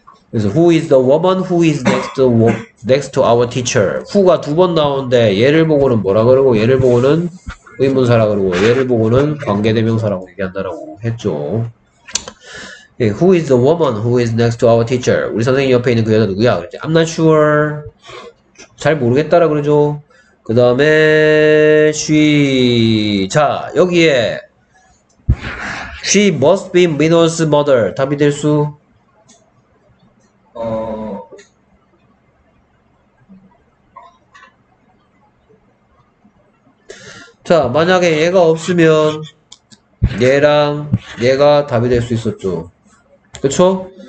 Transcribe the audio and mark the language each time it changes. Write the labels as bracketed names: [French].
[English] 그래서 who is the woman who is next to our teacher. [Korean] who가 두 번 나오는데 얘를 보고는 뭐라 그러고 얘를 보고는 의문사라 그러고 얘를 보고는 관계대명사라고 얘기한다라고 했죠. [English] 예, who is the woman who is next to our teacher. [Korean] 우리 선생님 옆에 있는 그 여자 누구야? [English] I'm not sure. [Korean] 잘 모르겠다라 그러죠. 그 다음에 자 여기에 [English] she must be Minor's mother. [Korean] 답이 될 수 자, 만약에 얘가 없으면 얘랑 얘가 답이 될 수 있었죠. 그쵸?